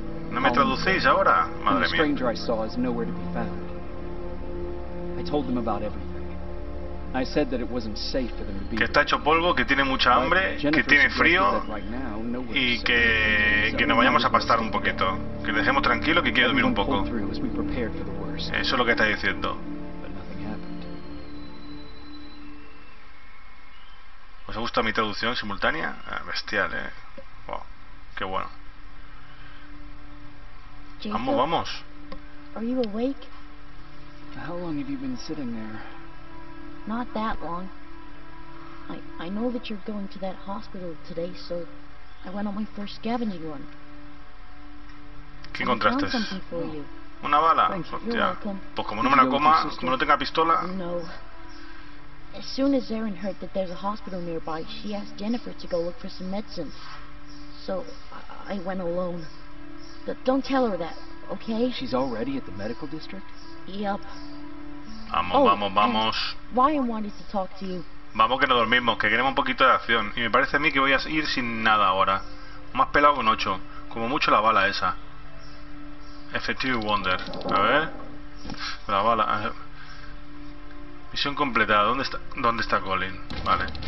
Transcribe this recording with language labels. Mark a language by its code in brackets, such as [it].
[es] No me traducéis ahora, madre mía. [en] Stranger I saw is nowhere to be found. I told them about everything. I said that it wasn't safe for them to be. [es] Que está hecho polvo, que tiene mucha hambre, que tiene frío y que nos vayamos a pastar un poquito, que le dejemos tranquilo, que quiere dormir un poco. Eso es lo que está diciendo. ¿Os ha gustado mi traducción simultánea? Ah, bestial, eh. Qué bueno. Jacob, vamos, vamos. [en] Are you awake? How long have you been sitting there? Not that long. I know that you're going to that hospital today, so I went on my first scavenging run. [es] ¿Qué encontraste? Una bala. Hostia. Pues como no me la coma, como no tenga pistola. No. [en] As soon as Erin heard that there's a hospital nearby, she asked Jennifer to go look for some medicine. So I went alone. But don't tell her that, okay? She's already at the medical district? Yep. [es] Vamos, oh, vamos, vamos. [en] Ryan wanted to talk to you. [es] Vamos que no dormimos, que queremos un poquito de acción. Y me parece a mí que voy a ir sin nada ahora. Más pelado que un 8. Como mucho la bala esa. Effective Wonder. A ver. La bala. Misión completada. ¿Dónde está Colin? Vale.